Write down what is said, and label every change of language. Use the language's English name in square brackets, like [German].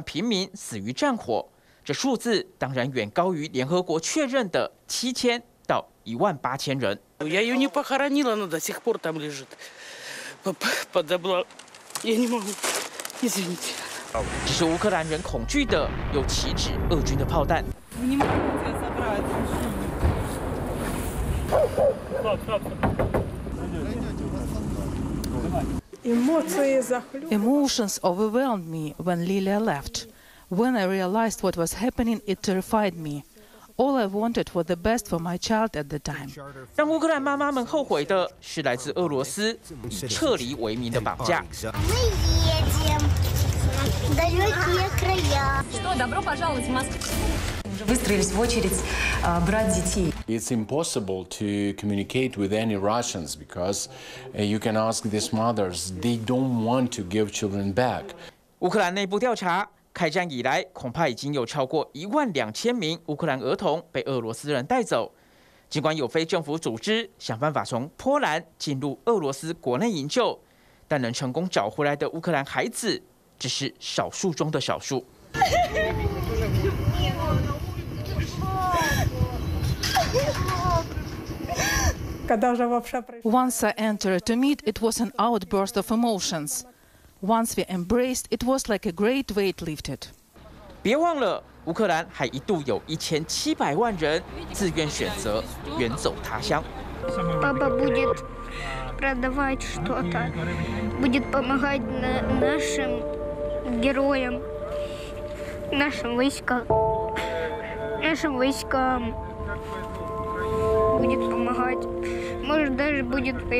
[Chinese] 美国推估乌克兰有4万平民死于战火。这数字当然远高于联合国确认的7000到18000人。 [Russian] Я ее не похоронила, она до сих пор там лежит. Подобла. Я не могу. Извините. [Chinese] 只是乌克兰人恐惧的又岂止俄军的炮弹。 [English] Emotions overwhelmed me when Lilia left. When I realized what was happening, it terrified me. All I wanted was the best for my child at the time. [Chinese] 让乌克兰妈妈们后悔的是来自俄罗斯以撤离为名的绑架。 [Russian] Выстроились в очередь брать детей. [English] It's impossible to communicate with any Russians because you can ask these mothers, they don't want to give children back. [Chinese] 乌克兰内部调查。开战以来，恐怕已经有超过12000名乌克兰儿童被俄罗斯人带走。尽管有非政府组织想办法从波兰进入俄罗斯国内营救，但能成功找回来的乌克兰孩子，只是少数中的少数。 [English] Once I entered to meet, it was an outburst of emotions. Once we embraced, it was like a great weight lifted. [Chinese] 别忘了，乌克兰还一度有1700万人自愿选择远走他乡。爸爸 [Russian] будет продавать что-то, будет помогать нашим героям, нашим войскам, будет помогать, может даже будет